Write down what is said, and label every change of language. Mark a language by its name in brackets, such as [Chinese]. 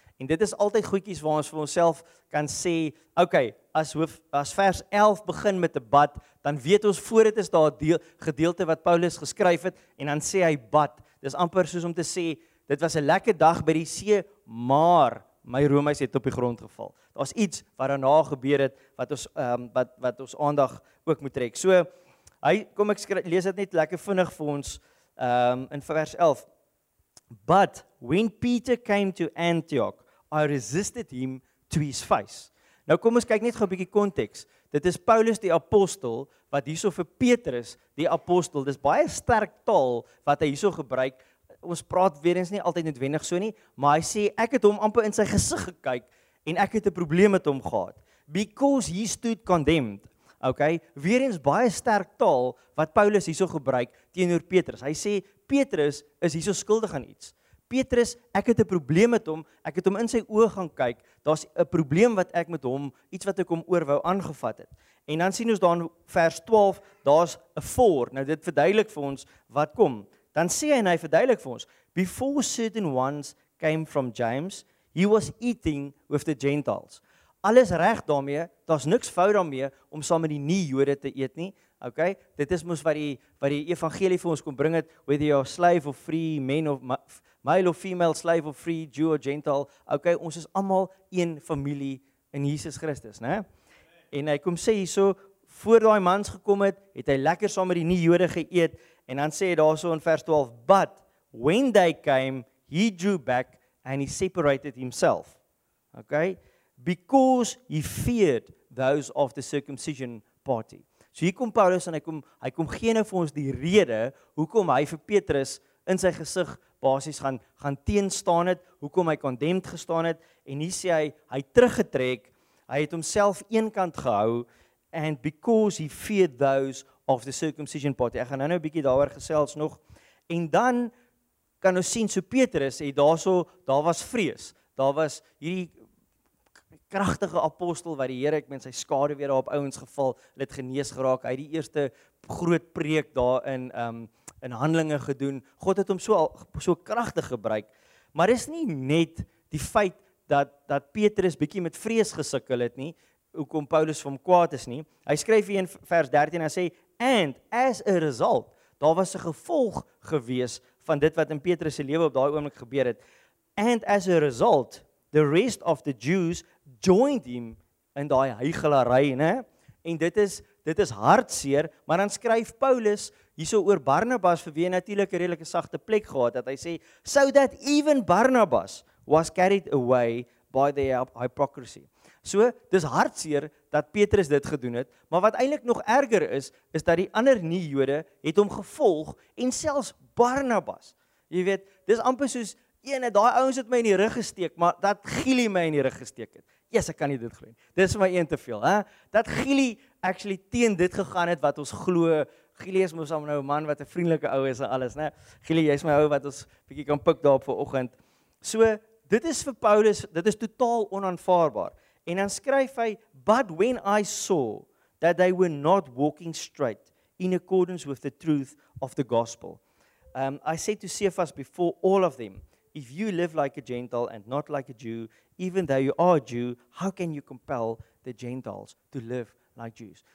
[Afrikaans] En dit is altyd goedjies waar ons vir onsself kan sê, okay, as vers 11 begin met 'n but, dan weet ons voor dit is daar 'n gedeelte wat Paulus geskryf het en dan sê hy but. Dis amper soos om te sê, dit was 'n lekker dag by die see, maar my roemhuis het op die grond geval. Daar's iets wat daarna gebeur het wat ons aandag ook moet trek. So, lees dit net lekker vinnig vir ons in vers 11. [English] But when Peter came to Antioch, I resisted him to his face. [Afrikaans] Nou kom ons kyk net gou 'n bietjie konteks. Dit is Paulus die apostel wat hierso vir Petrus die apostel. Dis baie sterk taal wat hy hierso gebruik. Ons praat weer eens nie altyd noodwendig so nie, maar hy sê ek het hom amper in sy gesig gekyk en ek het 'n probleem met hom gehad. [English] because he stood condemned. [Afrikaans] Okay, weer eens baie sterk taal wat Paulus hierso gebruik teenoor Petrus. Hy sê Petrus is hierso skuldig aan iets. Petrus, ek het 'n probleem met hom. Ek het hom in sy oë gaan kyk. Daar's 'n probleem wat ek met hom, iets wat ek hom oorwou aangevat het. En dan sien ons daar in vers 12, daar's 'n voor. Nou dit verduidelik vir ons wat kom. Dan sê hy en hy verduidelik vir ons, [English] before certain ones came from James, he was eating with the Gentiles. [Afrikaans] Alles reg daarmee, daar's niks fout daarmee om saam met die nie-Jode te eet nie. Okay? Dit is mos wat die evangelie vir ons kom bring het, [English] whether you're slave or free, man of male or female, slave or free, Jew or Gentile. [Afrikaans] Okay, ons is almal een familie in Jesus Christus, né? En hy kom sê hierso, voor daai mans gekom het, het hy lekker saam met die nie-Jode geëet en dan sê hy daarso in vers 12, [English] but when they came, he drew back and he separated himself. [Afrikaans] Okay? [English] Because he feared those of the circumcision party. [Afrikaans] So hier kom Paulus en hy kom gee nou vir ons die rede hoekom hy vir Petrus in sy gesig basies gaan teenstaan het, hoekom hy condemned gestaan het en hier sê hy teruggetrek, hy het homself eenkant gehou [English] and because he feared those of the circumcision party. [Afrikaans] Ek gaan nou 'n bietjie daaroor gesels nog en dan kan ons sien so Petrus het daar was vrees. Daar was hierdie kragtige apostel wat die Here ek met sy skade weer daarop ouens geval, hulle het genees geraak. Hy het die eerste groot preek daarin in Handelinge gedoen. God het hom so kragtig gebruik. Maar dis nie net die feit dat Petrus bietjie met vrees gesukkel het nie, hoekom Paulus vir hom kwaad is nie. Hy skryf hier in vers 13 en sê [English] and as a result, [Afrikaans] daar was 'n gevolg gewees van dit wat in Petrus se lewe op daai oomblik gebeur het. [English] And as a result, the rest of the Jews joined him in [Afrikaans] daai heigelary, né? En dit is hartseer, maar dan skryf Paulus hierso oor Barnabas vir wie natuurlik 'n redelike sagte plek gehad het. Hy sê [English] so that even Barnabas was carried away by the hypocrisy. [Afrikaans] So, dis hartseer dat Petrus dit gedoen het, maar wat eintlik nog erger is dat die ander nie-Jode het hom gevolg en selfs Barnabas. Jy weet, dis amper soos ene, daai ouens het my in die rug gesteek, maar dat Gili my in die rug gesteek het. Eers ek kan nie dit glo nie. Dis vir my een te veel, hè? Dat Gili actually teen dit gegaan het wat ons glo. Gili is mos nou 'n man wat 'n vriendelike ou is en alles, né? Gili, jy's my ou wat ons bietjie kan pik daarop vanoggend. So, dit is vir Paulus, dit is totaal onaanvaarbaar. En dan skryf hy, [English] but when I saw that they were not walking straight in accordance with the truth of the gospel, I said to Cephas before all of them, if you live like a Gentile and not like a Jew, even though you are a Jew, how can you compel the Gentiles to live like Jews?